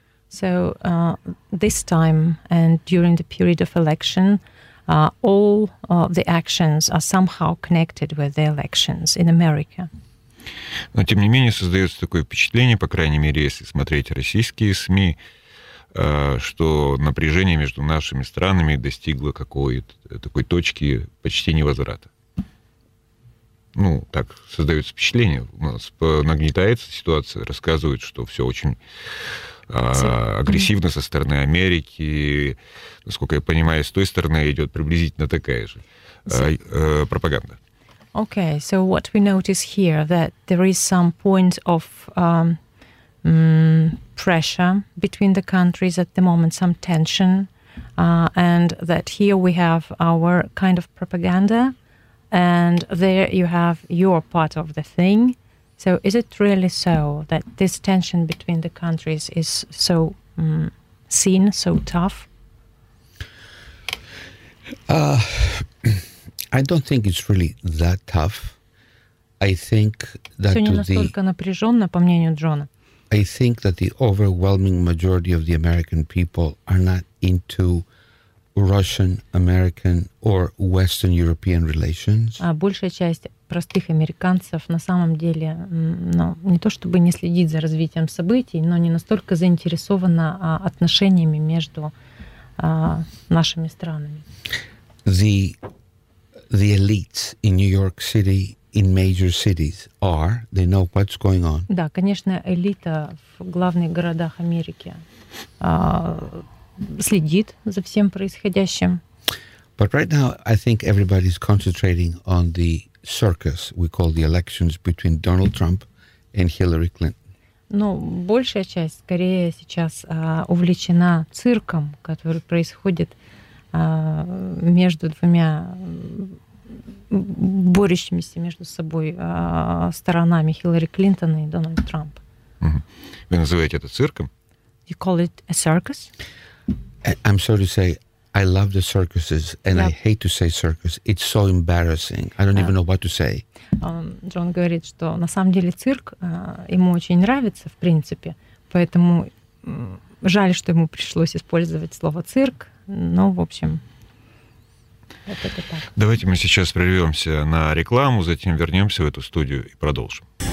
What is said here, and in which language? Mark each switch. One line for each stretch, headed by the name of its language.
English: So this time and during the period of election, all of the actions are somehow connected with the elections in America.
Russian: Но тем не менее создается такое впечатление, по крайней мере, если смотреть российские СМИ, что напряжение между нашими странами достигло какой-то такой точки почти невозврата. Ну, так создается впечатление. У нас нагнетается ситуация, рассказывают, что все очень агрессивно со стороны Америки. Насколько я понимаю, с той стороны идет приблизительно такая же пропаганда.
English: Okay, so what we notice here, that there is some point of pressure between the countries at the moment, some tension, and that here we have our kind of propaganda, and there you have your part of the thing. So is it really so that this tension between the countries is so seen, so tough? I don't think it's really that tough. I think that
Russian: Всё не настолько напряжённо, по мнению Джона.
English: I think that the overwhelming majority of the American people are not into Russian, American or Western European relations.
Russian: А большая часть простых американцев на самом деле, ну, не то чтобы не следит за развитием событий, но не настолько заинтересована отношениями между нашими странами.
English: The elites in New York City, in major cities, are, they know what's going on.
Russian: Да, конечно, элита в главных городах Америки следит за всем происходящим.
English: But right now, I think everybody's concentrating on the circus we call the elections between Donald Trump and Hillary Clinton.
Russian: Но большая часть, скорее, сейчас увлечена цирком, который происходит между двумя борющимися между собой сторонами, Хиллари Клинтон и Дональд Трамп. Вы называете это цирком?
English: You call it a circus? I'm sorry to say, I love the circuses, and yep. I hate to say circus. It's so embarrassing. I don't even know what to say.
Russian: Джон говорит, что на самом деле цирк ему очень нравится, в принципе, поэтому жаль, что ему пришлось использовать слово цирк, но, в общем... Давайте мы сейчас прервемся на рекламу, затем вернемся в эту студию и продолжим.